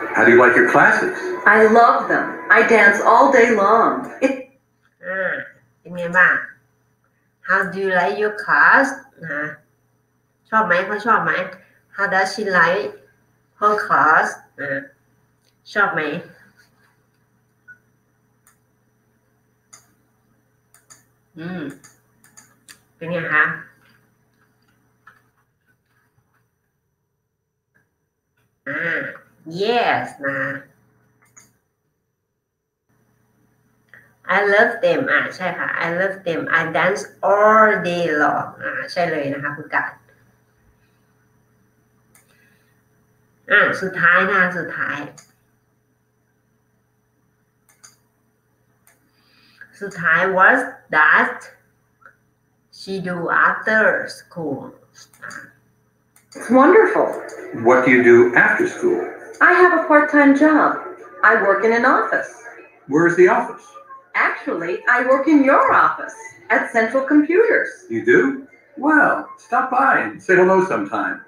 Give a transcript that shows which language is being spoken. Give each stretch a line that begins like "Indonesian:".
English: How do you like your classes? I love them. I dance all day long.
Thai: ยังไงบ้าง
English: How do you like your class?
Thai: ชอบไหมเขาชอบไหม
English: How does she like her class?
Thai: ชอบไหมเป็นไงคะyes นะ
English: I love them
Thai: ใช่ค่ะ I love them
English: I dance all day long
Thai: ใช่เลยนะคะคุณกัด สุดท้ายนะสุดท้ายสุดท้าย
English: what does she do after school it's wonderful what do you do after school I have a part-time job I work in an office where is the office actually I work in your office at Central Computers you do well stop by and say hello sometime